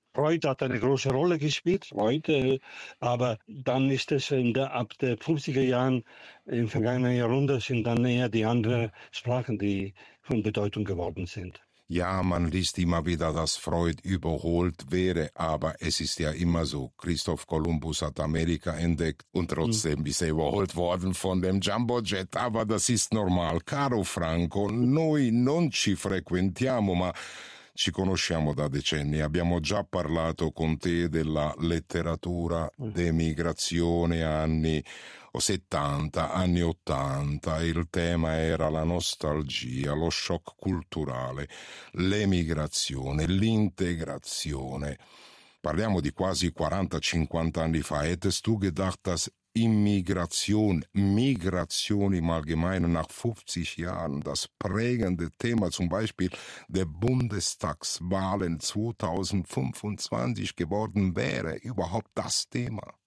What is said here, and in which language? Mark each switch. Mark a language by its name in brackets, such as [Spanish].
[German] Freud hat eine große Rolle gespielt, Freud, aber dann ist es ab den 50er Jahren, im vergangenen Jahrhundert, sind dann eher die anderen Sprachen, die von Bedeutung geworden sind. Ja, man liest immer wieder, dass Freud überholt wäre, aber es ist ja immer so. Christoph Kolumbus hat Amerika entdeckt und trotzdem ist er überholt worden von dem Jumbojet. Aber das ist normal. [Italian] Caro Franco, noi non ci frequentiamo, ma ci conosciamo da decenni. Abbiamo già parlato con te della letteratura d'emigrazione anni 70, anni 80. Il tema era la nostalgia, lo shock culturale, l'emigrazione, l'integrazione. Parliamo di quasi 40-50 anni fa. [German] Hättest du gedacht, dass Immigration, Migration im Allgemeinen nach 50 Jahren das prägende Thema zum Beispiel der Bundestagswahlen 2025 geworden wäre, überhaupt das Thema?